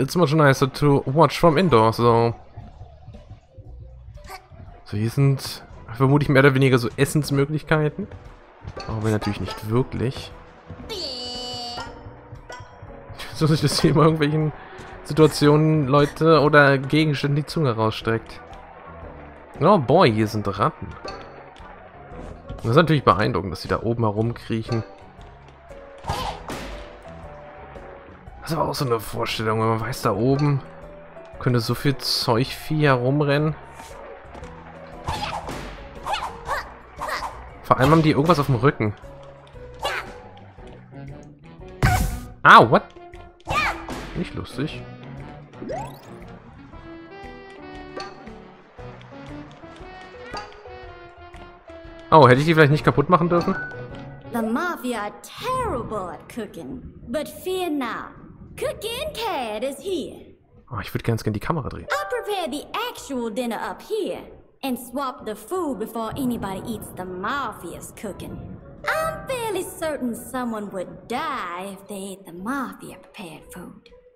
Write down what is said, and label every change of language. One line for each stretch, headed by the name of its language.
English: It's much nicer to watch from indoors, so.
German: So, hier sind vermutlich mehr oder weniger so Essensmöglichkeiten. Aber natürlich nicht wirklich. So, dass das hier in irgendwelchen Situationen Leute oder Gegenstände die Zunge rausstreckt.
English: Oh boy,
German: hier sind Ratten. Das ist natürlich beeindruckend, dass sie da oben herumkriechen. Das ist aber auch so eine Vorstellung, wenn man weiß, da oben könnte so viel Zeugvieh herumrennen. Vor allem haben die irgendwas auf dem Rücken.
English: Ah, what?
German: Nicht lustig. Oh, hätte ich die vielleicht nicht kaputt machen dürfen?
English: The Mafia are terrible at cooking. But fear not. Cooking Cat is here.
German: Oh, ich würde ganz gerne die Kamera drehen.
English: I'll prepare the actual dinner up here and swap the food before anybody eats the Mafia's cooking. I'm fairly certain someone would die if they ate the Mafia prepared food.